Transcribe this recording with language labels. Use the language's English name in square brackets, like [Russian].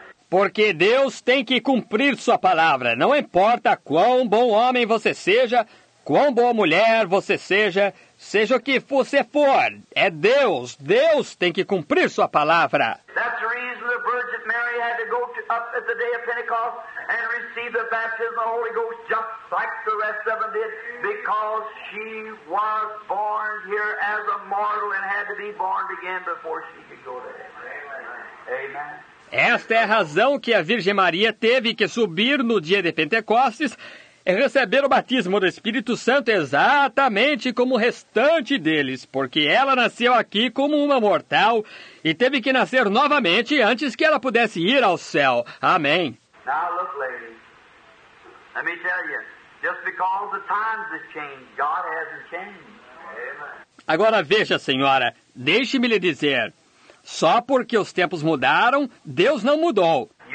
[Portuguese] Porque Deus tem que cumprir sua palavra. Não importa quão bom homem você seja, quão boa mulher você seja, seja o que você for, é Deus. Deus tem que cumprir sua palavra. [English] That's the reason the Virgin Mary had to go to, up at the day of Pentecost and receive the baptism of the Holy Ghost just like the rest of them did, because she was born here as a mortal and had to be born again before she could go to heaven. Amen. Amen. [Portuguese] Esta é a razão que a Virgem Maria teve que subir no dia de Pentecostes e receber o batismo do Espírito Santo exatamente como o restante deles, porque ela nasceu aqui como uma mortal e teve que nascer novamente antes que ela pudesse ir ao céu. Amém. [English] Now look, lady. Let me tell you. Just because the times have changed, God hasn't changed. [Portuguese] Agora veja, senhora, deixe-me lhe dizer, só porque os tempos mudaram, Deus não mudou.